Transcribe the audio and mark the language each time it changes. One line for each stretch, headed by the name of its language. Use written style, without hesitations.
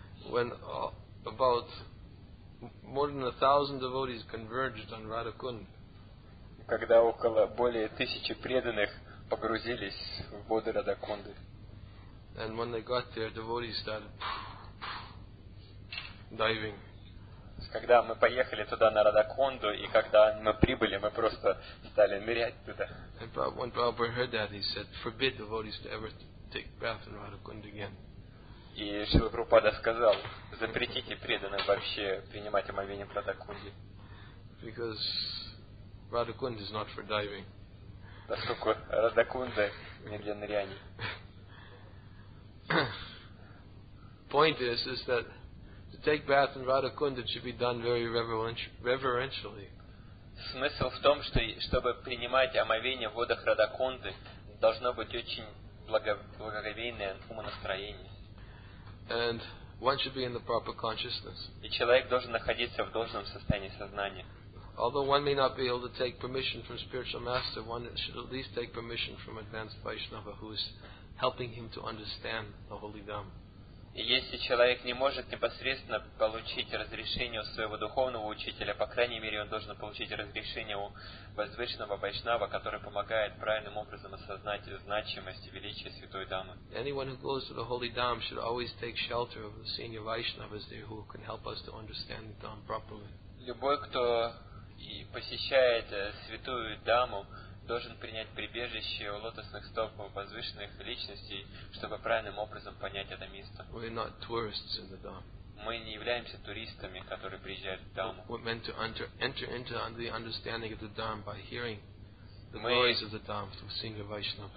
English: When about more than 1,000 devotees converged on Radha Kunda.
Russian: Когда около более 1,000 преданных погрузились в воды Радха Кунды.
English: And when they got there, devotees started diving.
Russian: Когда мы поехали туда на Радха Кунду, и когда мы прибыли, мы просто стали нырять туда.
English: And when Prabhupada heard that, he said, forbid devotees to ever take bath in Radha Kunda again.
Russian: И Шрила Прабхупада сказал, запретите преданным вообще принимать омовение в Радха Кунде.
English: Because Radha Kunda is not for diving.
Russian: Поскольку Радха Кунда не для ныряния.
English: Point is that to take bath in Radha Kunda should be done very reverentially.
Russian: Смысл в том, что чтобы принимать омовение в водах Радха Кунды, должно быть очень благоговейное умонастроение.
English: And one should be in the proper consciousness.
Russian: И человек должен находиться в должном состоянии сознания.
English: Although one may not be able to take permission from spiritual master, one should at least take permission from advanced Vaishnava who is helping him to understand the holy Dhamma.
Russian: И если человек не может непосредственно получить разрешение у своего духовного учителя, по крайней мере, он должен получить разрешение у возвышенного Вайшнава, который помогает правильным образом осознать значимость и величие Святой Дамы.
English: Anyone who goes to the Holy Dham should always take shelter of the senior Vaishnavas there who can help us to understand the Dham properly.
Russian: Любой, кто посещает Святую Даму, должен принять прибежище у лотосных стоп возвышенных личностей, чтобы правильным образом понять это место.
English: We're not tourists in the Dhamma.
Russian: Мы не являемся туристами, которые приезжают в Дхамму.
English: We're meant to enter into the understanding of the Dhamma by hearing the glories of the Dhamma through senior Vaishnavas.